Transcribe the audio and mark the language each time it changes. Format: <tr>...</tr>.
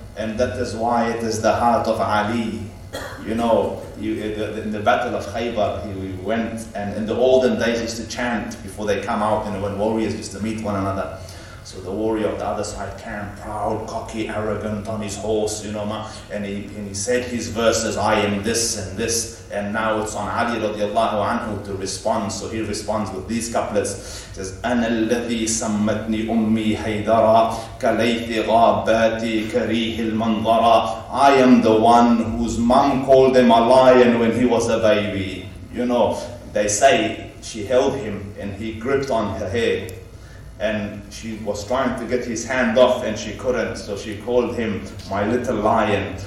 <en>And that is why it is the heart of Ali. You know, in the battle of Khaybar, he went, and in the olden days used to chant before they come out, you know, when warriors used to meet one another. So the warrior of the other side came, proud, cocky, arrogant on his horse, you know, and he said his verses, I am this and this, and now it's on Ali radiallahu anhu to respond. So he responds with these couplets. He says,</en> <ar>أَنَا الَّذِي سَمَّتْنِي أُمِّي هَيْدَرًا كَلَيْثِ غَابَاتِي كَرِيهِ الْمَنْظَرًا.</ar> <en>I am the one whose mom called him a lion when he was a baby. You know, they say she held him and he gripped on her hair. And she was trying to get his hand off and she couldn't, so she called him my little lion.</en>